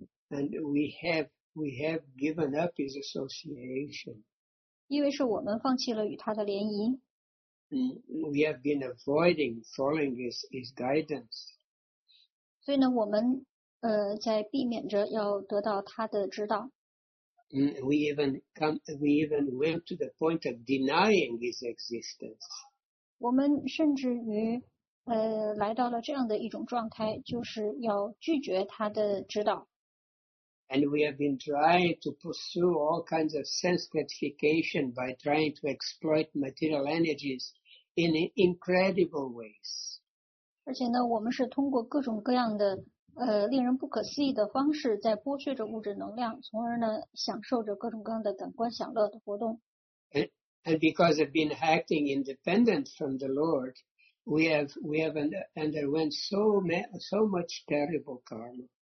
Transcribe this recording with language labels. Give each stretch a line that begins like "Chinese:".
English: And we have given up his association.
Chinese: 因为是我们放弃了与他的联谊。
English: We have been avoiding following his guidance.
Chinese: 所以呢，我们 在避免着要得到他的指导。
English: We even went to the point of denying his existence.
Chinese: 我们甚至于 来到了这样的一种状态, 就是要拒绝他的指导。
English: And we have been trying to pursue all kinds of sense gratification by trying to exploit material energies in incredible ways.
Chinese: 而且呢，我们是通过各种各样的 令人不可思议的方式在剥削着物质能量，从而呢享受着各种各样的感官享乐的活动。
English: And because of being acting independent from the Lord, we have underwent so much terrible karma.